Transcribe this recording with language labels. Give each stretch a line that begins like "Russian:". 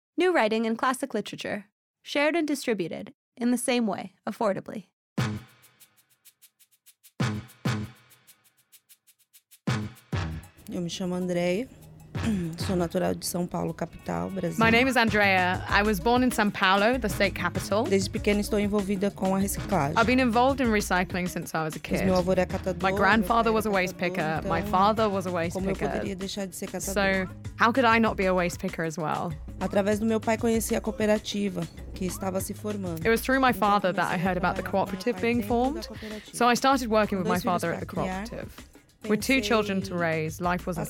English: New writing and classic literature, shared and distributed in the same way, affordably.
Portuguese: Eu me chamo Andrea. Sou natural de São Paulo, capital, Brasil.
English: My name is Andrea. I was born in São Paulo, the state capital.
Portuguese: Desde pequena estou envolvida com a reciclagem.
English: I've been involved in recycling since I was a kid.
Portuguese: Meu avô era catador.
English: My grandfather was a waste picker.
Portuguese: Então,
English: my father was a waste
Portuguese: como
English: picker.
Portuguese: Como eu poderia deixar de ser catador?
English: So, how could I not be a waste picker as well?
Portuguese: Através do meu pai conheci a cooperativa que estava se formando.
English: It was through my father that I heard about the cooperative being formed. So I started working with my father at the cooperative. With two children to raise, life wasn't